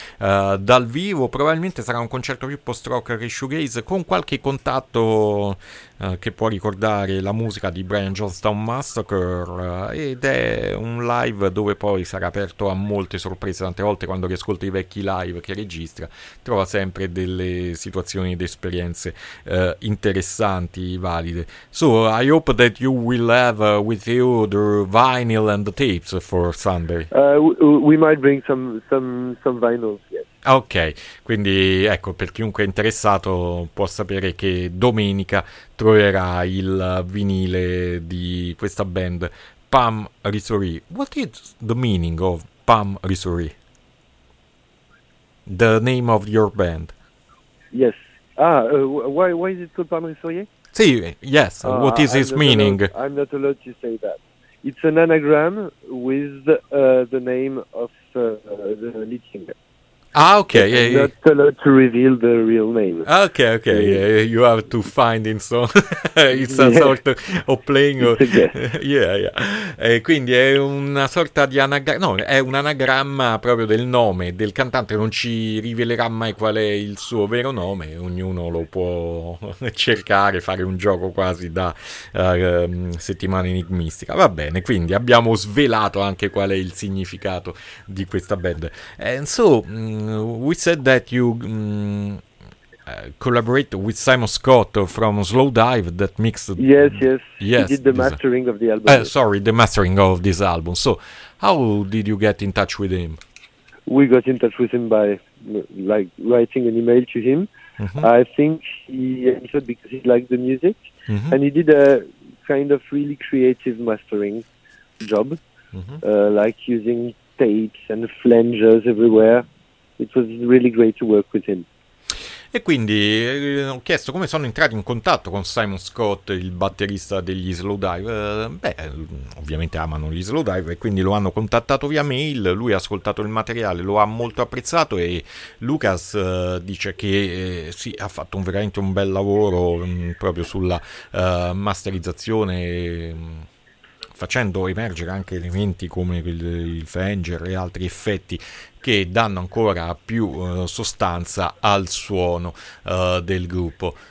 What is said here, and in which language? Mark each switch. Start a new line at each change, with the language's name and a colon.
Italian: Dal vivo probabilmente sarà un concerto più post-rock che shoegaze, con qualche contatto che può ricordare la musica di Brian Johnstown Massacre, ed è un live dove poi sarà aperto a molte sorprese. Tante volte quando riascolto i vecchi live che registra, trova sempre delle situazioni ed esperienze interessanti, valide.
English: So I hope that you will have with you the vinyl and the tapes for Sunday. We might bring some vinyls.
Italian: Ok, quindi ecco, per chiunque è interessato può sapere che domenica troverà il vinile di questa band Pam Risori.
English: What is the meaning of Pam Risori? The name of your band? Yes. Why is it called Pam Risori? Sì, yes. What is its meaning? I'm not allowed to say that. It's an anagram with the name of the lead singer. Ah, okay. Yeah, not yeah. allowed to reveal the real name. Okay, okay. Mm-hmm. Yeah, you have to find in so it's a sort of playing.
Italian: Or... yeah, yeah. E quindi è una sorta di anagramma. No, è un anagramma proprio del nome del cantante. Non ci rivelerà mai qual è il suo vero nome. Ognuno lo può cercare, fare un gioco quasi da settimana enigmistica. Va bene. Quindi abbiamo svelato anche qual è il significato di questa band.
English: And so. We said that you collaborate with Simon Scott from Slowdive that mixed... Yes. He did the mastering of the album. The mastering of this album. So how did you get in touch with him? We got in touch with him by writing an email to him. Mm-hmm. I think he answered because he liked the music. Mm-hmm. And he did a kind of really creative mastering job, like using tapes and flanges everywhere. It was really great to work with him.
Italian: E quindi ho chiesto come sono entrati in contatto con Simon Scott, il batterista degli Slowdive. Beh, ovviamente amano gli Slowdive e quindi lo hanno contattato via mail. Lui ha ascoltato il materiale, lo ha molto apprezzato e Lucas dice che sì, ha fatto veramente un bel lavoro proprio sulla masterizzazione, facendo emergere anche elementi come il flanger e altri effetti che danno ancora più sostanza al suono del gruppo.